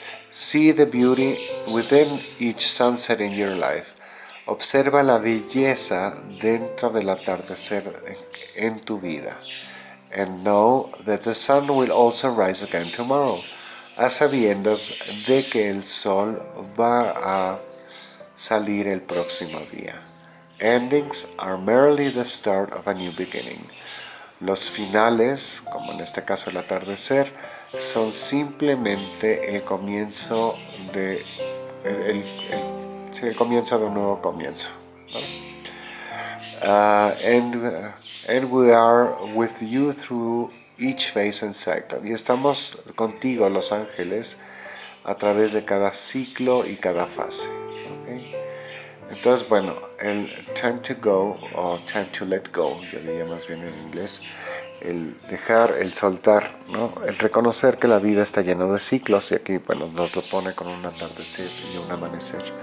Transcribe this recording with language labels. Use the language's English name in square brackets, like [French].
[English] See the beauty within each sunset in your life. [Spanish] Observa la belleza dentro del atardecer en tu vida. [English] And know that the sun will also rise again tomorrow. [Spanish] A sabiendas de que el sol va a salir el próximo día. [English] Endings are merely the start of a new beginning. [Spanish] Los finales, como en este caso el atardecer, son simplemente el comienzo de el comienzo de un nuevo comienzo, ¿no? [English] And we are with you through each phase and cycle. [Spanish] Y estamos contigo, los ángeles, a través de cada ciclo y cada fase, ¿okay? Entonces, bueno, el [English] time to go [Spanish] o [English] time to let go, [Spanish] yo diría más bien en inglés, el dejar, el soltar, ¿no? El reconocer que la vida está llena de ciclos y aquí, bueno, nos lo pone con un atardecer y un amanecer.